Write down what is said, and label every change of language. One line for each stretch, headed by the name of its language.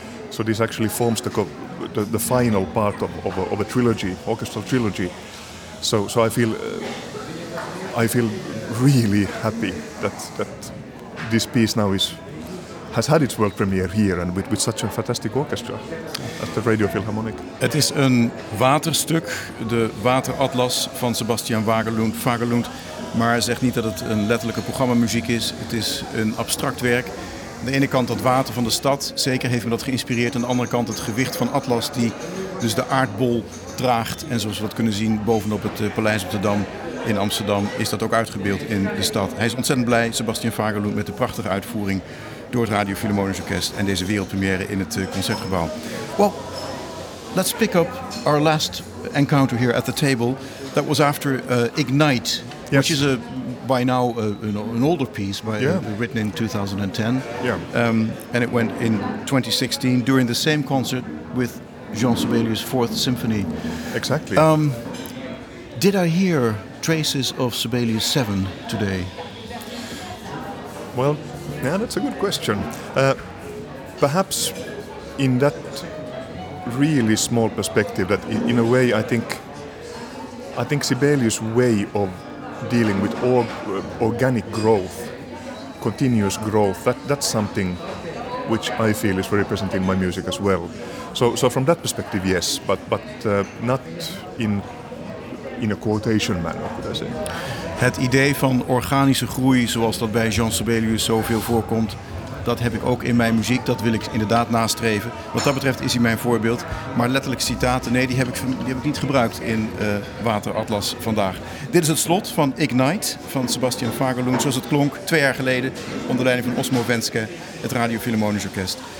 English: So this actually forms the final part of a trilogy, orchestral trilogy. So I feel really happy that this piece now has had its world premiere here and with such a fantastic orchestra at the Radio Philharmonic.
Dutch: Het is een waterstuk, de Wateratlas van Sebastian Fagerlund, maar hij zegt niet dat het een letterlijke programmamuziek is. Het is een abstract werk. Aan de ene kant dat water van de stad, zeker heeft me dat geïnspireerd. Aan de andere kant het gewicht van Atlas, die dus de aardbol draagt. En zoals we dat kunnen zien bovenop het Paleis op de Dam in Amsterdam, is dat ook uitgebeeld in de stad. Hij is ontzettend blij, Sebastian Fagerlund, met de prachtige uitvoering door het Radio Philharmonisch Orkest en deze wereldpremière in het Concertgebouw.
English: Well, let's pick up our last encounter here at the table. That was after Ignite, yes, which is by now an older piece, written in 2010. Yeah. And it went in 2016 during the same concert with Jean Sibelius' Fourth Symphony. Exactly. Did I hear traces of Sibelius 7 today? Well, yeah, that's a good question. Perhaps in that really small perspective, that in a way I think Sibelius' way of dealing with organic growth, continuous growth, that's something which I feel is very present in my music as well. So from that perspective, yes, but not in a quotation manner, could I say.
Dutch: Het idee van organische groei, zoals dat bij Jean Sibelius zoveel voorkomt, dat heb ik ook in mijn muziek. Dat wil ik inderdaad nastreven. Wat dat betreft is hij mijn voorbeeld. Maar letterlijke citaten, nee, die heb ik niet gebruikt in Wateratlas vandaag. Dit is het slot van Ignite van Sebastian Fagerlund, zoals het klonk 2 jaar geleden onder leiding van Osmo Wenske, het Radio Philharmonisch Orkest.